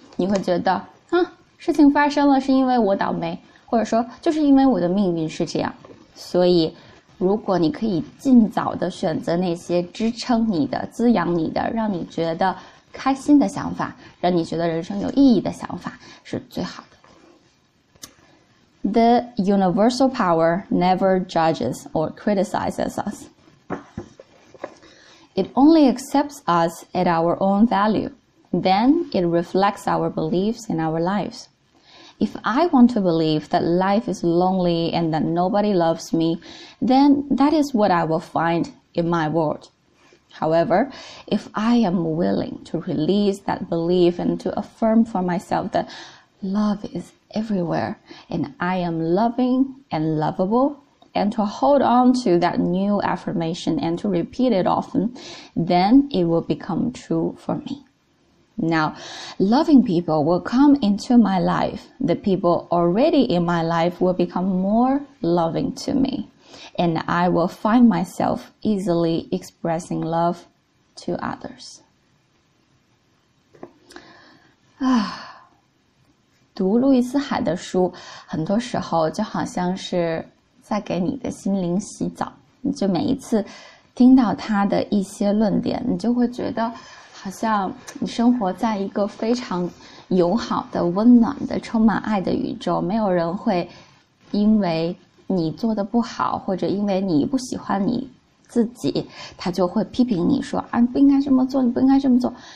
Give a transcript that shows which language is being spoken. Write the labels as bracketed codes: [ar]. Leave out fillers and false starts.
[zh] 你会觉得啊，事情发生了是因为我倒霉，或者说就是因为我的命运是这样。所以如果你可以尽早的选择那些支撑你的，滋养你的，让你觉得开心的想法，让你觉得人生有意义的想法，是最好的。 [en] The universal power never judges or criticizes us. It only accepts us at our own value. Then it reflects our beliefs in our lives. If I want to believe that life is lonely and that nobody loves me, then that is what I will find in my world. However, if I am willing to release that belief and to affirm for myself that love is everywhere and I am loving and lovable, and to hold on to that new affirmation and to repeat it often, then it will become true for me. Now, loving people will come into my life. The people already in my life will become more loving to me. And I will find myself easily expressing love to others. [zh] 读路易斯海的书，很多时候就好像是在给你的心灵洗澡。就每一次听到他的一些论点，你就会觉得好像你生活在一个非常友好的、温暖的、充满爱的宇宙，没有人会因为你做的不好，或者因为你不喜欢你自己，他就会批评你说啊，不应该这么做，你不应该这么做。